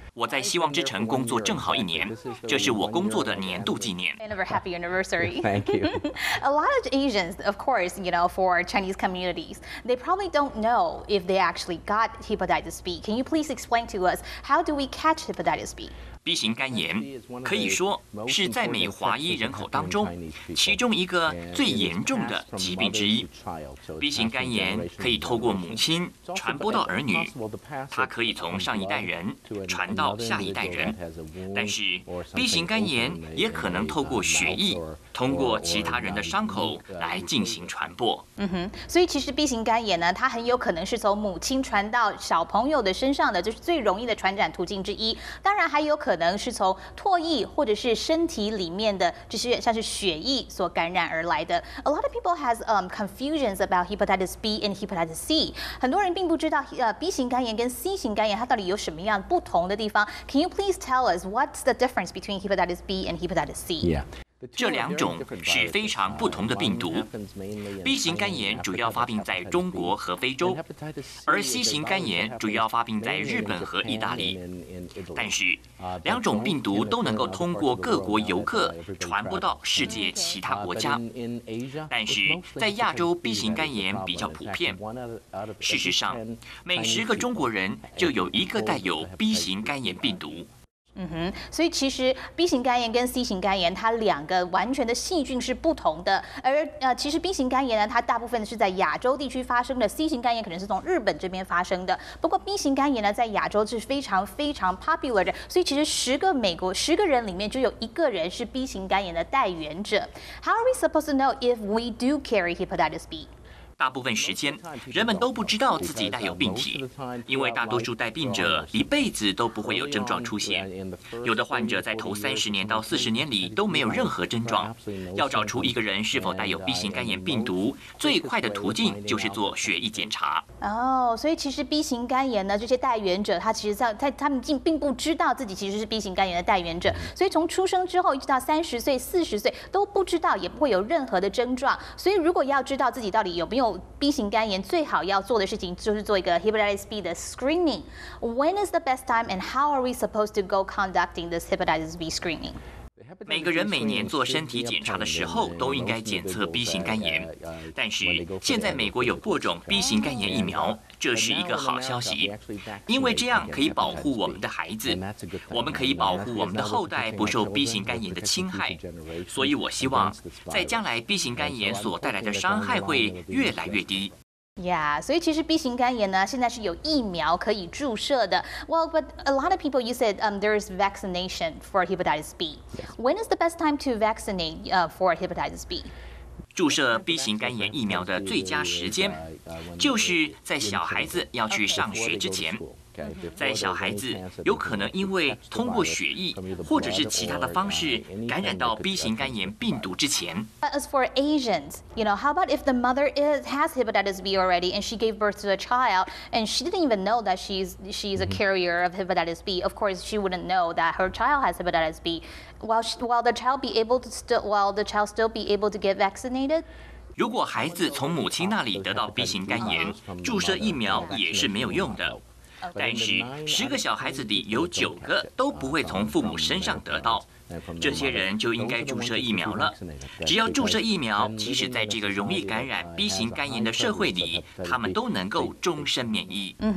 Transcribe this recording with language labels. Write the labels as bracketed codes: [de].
[zh] 我在希望之城工作正好一年，这是我工作的年度纪念。 [en] Another happy anniversary. Thank you. A lot of Asians, of course, you know, for Chinese communities, they probably don't know if they actually got hepatitis B. Can you please explain to us how do we catch hepatitis B? [zh] B 型肝炎可以说是在美华裔人口当中其中一个最严重的疾病之一。 B 型肝炎可以透过母亲传播到儿女，它可以从上一代人传到下一代人，但是 B 型肝炎也可能透过血液，通过其他人的伤口来进行传播。所以其实 B 型肝炎呢，它很有可能是从母亲传到小朋友的身上的，就是最容易的传染途径之一。当然还有可能是从唾液或者是身体里面的这些像是血液所感染而来的。 [en] A lot of people has confusions about hepatitis B and hepatitis C. [zh] 很多人并不知道B 型肝炎跟 C 型肝炎它到底有什么样不同的地方。 [en] Can you please tell us what's the difference between hepatitis B and hepatitis C? Yeah. [zh] 这两种是非常不同的病毒。B 型肝炎主要发病在中国和非洲，而 C 型肝炎主要发病在日本和意大利。但是两种病毒都能够通过各国游客传播到世界其他国家，但是在亚洲 B 型肝炎比较普遍。事实上，每10个中国人就有一个带有 B 型肝炎病毒。所以其实 B 型肝炎跟 C 型肝炎它两个完全的细菌是不同的，而其实 B 型肝炎呢，它大部分是在亚洲地区发生的， C 型肝炎可能是从日本这边发生的。不过 B 型肝炎呢，在亚洲是非常非常 popular 的，所以其实10个人里面就有一个人是 B 型肝炎的带源者。 [en] How are we supposed to know if we do carry hepatitis B? [zh] 大部分时间人们都不知道自己带有病体，因为大多数带病者一辈子都不会有症状出现。有的患者在头30年到40年里都没有任何症状。要找出一个人是否带有 B 型肝炎病毒，最快的途径就是做血液检查。所以其实 B 型肝炎呢，这些带源者他其实在他们并不知道自己其实是 B 型肝炎的带源者，所以从出生之后一直到30岁40岁都不知道，也不会有任何的症状。所以如果要知道自己到底有没有B 型肝炎，最好要做的事情就是做一个 hepatitis B 的 screening. [en] When is the best time and how are we supposed to go conducting this hepatitis B screening? [zh] 每个人每年做身体检查的时候都应该检测 B 型肝炎，但是现在美国有播种 B 型肝炎疫苗，这是一个好消息，因为这样可以保护我们的孩子，我们可以保护我们的后代不受 B 型肝炎的侵害。所以我希望在将来 B 型肝炎所带来的伤害会越来越低。 [en] Yeah, [zh] 所以其实 B 型肝炎呢，现在是有疫苗可以注射的。 [en] Well, but a lot of people, you said there is vaccination for hepatitis B. When is the best time to vaccinate for hepatitis B? [zh] 注射 B 型肝炎疫苗的最佳时间，就是在小孩子要去上学之前。在小孩子有可能因为通过血液或者是其他的方式感染到 B 型肝炎病毒之前。 [en] As for Asians, you know, how about if the mother has hepatitis B already and she gave birth to a child and she didn't even know that she's a carrier of hepatitis B? Of course, she wouldn't know that her child has hepatitis B. Will the child still be able to get vaccinated? [zh] 如果孩子从母亲那里得到 B 型肝炎，注射疫苗也是没有用的。但是10个小孩子里有9个都不会从父母身上得到，这些人就应该注射疫苗了。只要注射疫苗，即使在这个容易感染 B 型肝炎的社会里，他们都能够终身免疫。